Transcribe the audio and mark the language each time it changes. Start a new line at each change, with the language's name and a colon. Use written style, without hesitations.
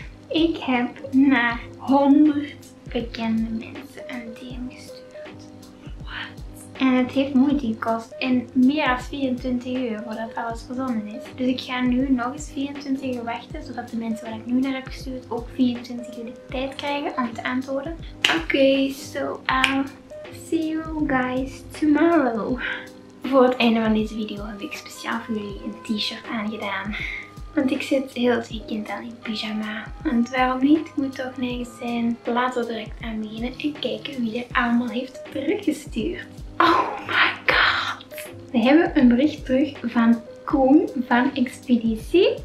Dutch: Ik heb naar 100 bekende mensen een DM gestuurd. Wat? En het heeft moeite gekost en meer dan 24 uur voordat alles verzonnen is. Dus ik ga nu nog eens 24 uur wachten, zodat de mensen waar ik nu naar heb gestuurd ook 24 uur de tijd krijgen om te antwoorden.
English: Okay, so I'll see you guys tomorrow.
Dutch: Voor het einde van deze video heb ik speciaal voor jullie een t-shirt aangedaan. Want ik zit heel het weekend al in pyjama. Want waarom niet? Moet toch nergens zijn. Laten we direct aan beginnen en kijken wie er allemaal heeft teruggestuurd.
English: Oh my god!
Dutch: We hebben een bericht terug van Koen van Expeditie.